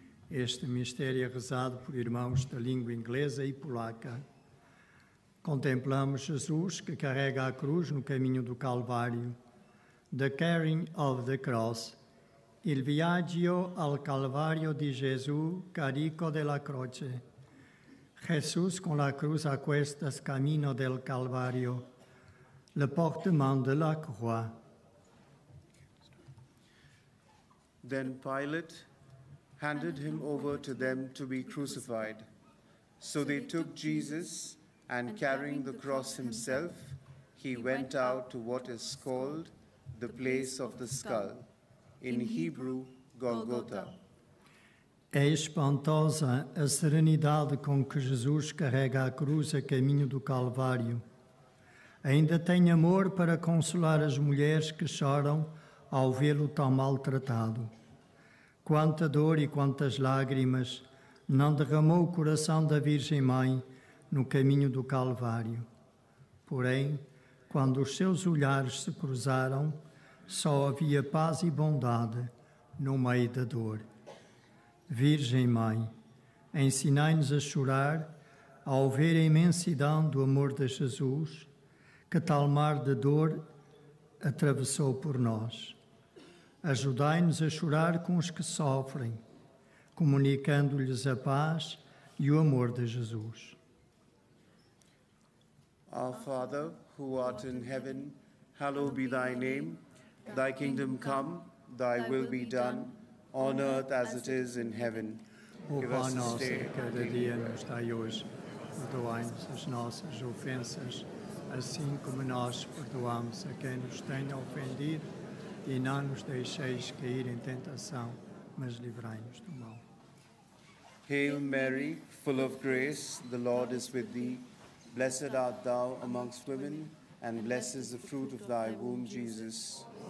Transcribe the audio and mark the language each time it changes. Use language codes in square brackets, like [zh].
[pt] Este mistério é rezado por irmãos da língua inglesa e polaca. Contemplamos Jesus que carrega a cruz no caminho do Calvário. [en] The carrying of the cross. [it] Il viaggio al Calvario di Gesù carico della croce. [es] Jesus con la cruz a cuestas camino del Calvario. [fr] Le portement de la croix. [en] Then Pilate handed him over to them to be crucified. So they took Jesus, and carrying the cross himself, he went out to what is called the place of the skull, in Hebrew, Golgotha. [pt] É espantosa a serenidade com que Jesus carrega a cruz a caminho do Calvário. Ainda tem amor para consolar as mulheres que choram ao vê-lo tão maltratado. Quanta dor e quantas lágrimas não derramou o coração da Virgem Mãe no caminho do Calvário. Porém, quando os seus olhares se cruzaram, só havia paz e bondade no meio da dor. Virgem Mãe, ensinai-nos a chorar ao ver a imensidão do amor de Jesus que tal mar de dor atravessou por nós. Ajudai-nos a chorar com os que sofrem, comunicando-lhes a paz e o amor de Jesus. [en] Our Father, who art in heaven, hallowed be thy name. Thy kingdom come, thy will be done, on earth as it is in heaven. [pt] O pão nosso cada dia nos dai hoje. Perdoai-nos as nossas ofensas, assim como nós perdoamos a quem nos tem ofendido. E não nos deixeis cair em tentação, mas livrai-nos do mal. [en] Hail Mary, full of grace, the Lord is with thee. Blessed art thou amongst women, and blessed is the fruit of thy womb, Jesus.